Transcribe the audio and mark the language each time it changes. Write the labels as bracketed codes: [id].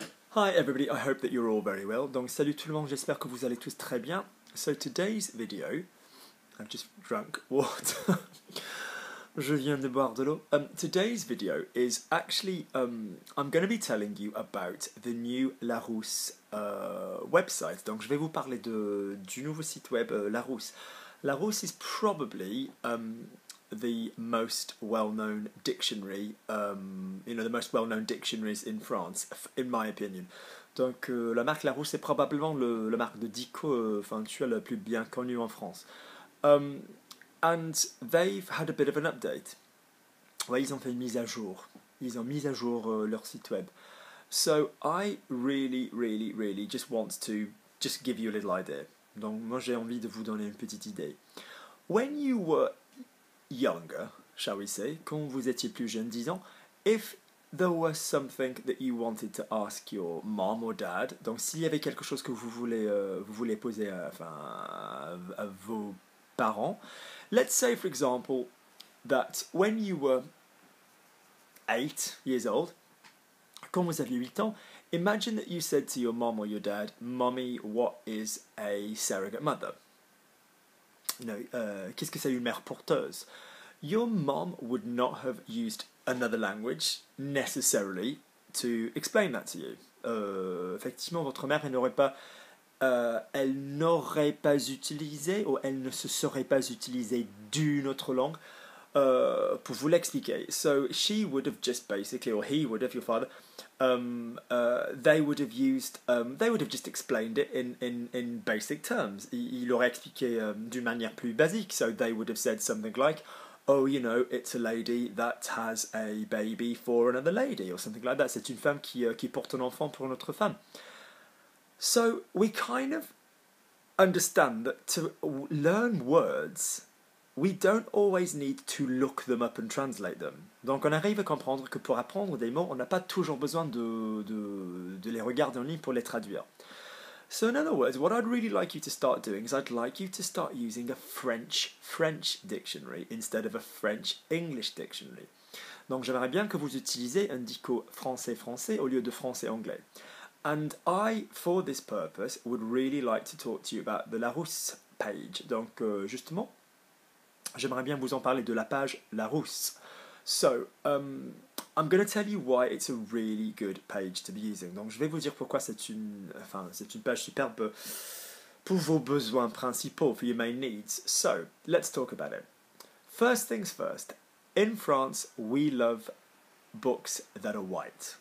[en] Hi everybody, I hope that you're all very well. [fr] Donc salut tout le monde, j'espère que vous allez tous très bien. [en] So today's video, I've just drunk water. [fr] Je viens de boire de l'eau. [en] Today's video is actually, I'm going to be telling you about the new Larousse website. [fr] Donc je vais vous parler du nouveau site web Larousse. [en] Larousse is probably the most well-known dictionary, the most well-known dictionaries in France, in my opinion. [fr] Donc la marque Larousse est probablement la marque de dico, la plus bien connue en France. [en] And they've had a bit of an update. [fr] Ouais, ils ont fait une mise à jour. Ils ont mis à jour leur site web. [en] So I really, really, really just want to just give you a little idea. [fr] Donc moi j'ai envie de vous donner une petite idée. [en] When you were younger, shall we say, [fr] quand vous étiez plus jeune, disons, [en] if there was something that you wanted to ask your mom or dad, [fr] donc s'il y avait quelque chose que vous voulez poser à vos parents, [en] let's say for example that when you were 8 years old, [fr] quand vous aviez 8 ans, [en] imagine that you said to your mom or your dad, mommy, what is a surrogate mother? [fr] Qu'est-ce que c'est une mère porteuse? [en] Your mom would not have used another language necessarily to explain that to you. [fr] Effectivement, votre mère elle ne se serait pas utilisée d'une autre langue pour vous l'expliquer. [en] So she would have just basically, or he would have, your father, they would have just explained it in basic terms. [fr] Il aurait expliqué d'une manière plus basique. [en] So they would have said something like, oh, you know, it's a lady that has a baby for another lady, or something like that. [fr] C'est une femme qui porte un enfant pour une autre femme. [en] So we kind of understand that to learn words, we don't always need to look them up and translate them. [fr] Donc on arrive à comprendre que pour apprendre des mots, on n'a pas toujours besoin de les regarder en ligne pour les traduire. [en] So in other words, what I'd really like you to start doing is I'd like you to start using a French dictionary instead of a French-English dictionary. [fr] Donc j'aimerais bien que vous utilisiez un dico français-français au lieu de français-anglais. [en] And I, for this purpose, would really like to talk to you about the Larousse page. [fr] Donc justement, j'aimerais bien vous en parler de la page Larousse. [en] So, I'm going to tell you why it's a really good page to be using. [fr] Donc, je vais vous dire pourquoi c'est une page superbe pour vos besoins principaux, [en] for your main needs. So, let's talk about it. First things first, in France, we love books that are white.